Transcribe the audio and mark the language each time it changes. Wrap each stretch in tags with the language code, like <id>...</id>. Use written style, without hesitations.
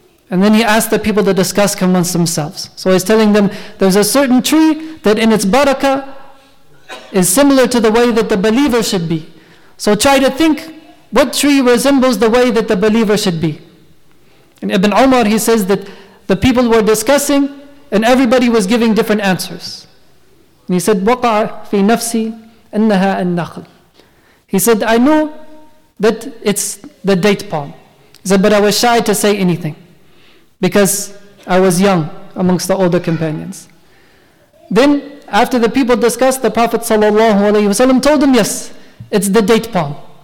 <en>And then he asked the people to discuss amongst themselves. So he's telling them, there's a certain tree that in its barakah is similar to the way that the believer should be. So try to think, what tree resembles the way that the believer should be? And Ibn Umar, he says that the people were discussing and everybody was giving different answers. And he said,</en> <ar>وَقَعَ فِي نَفْسِي أَنَّهَا النَّخْلِ.</ar> <en>He said, I know that it's the date palm. He said, but I was shy to say anything because I was young amongst the older companions. Then, after the people discussed, the Prophet ﷺ told them, yes, it's the date palm.</en>